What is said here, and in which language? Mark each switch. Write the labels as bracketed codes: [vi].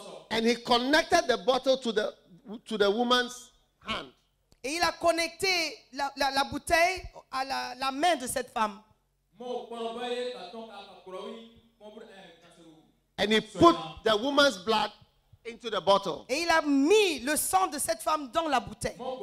[en] And he connected the bottle to the woman's hand. [fr] Et il a connecté la bouteille à la main de cette femme. [en] And he put the woman's blood into the bottle. [fr] Et il a mis le sang de cette femme dans la bouteille.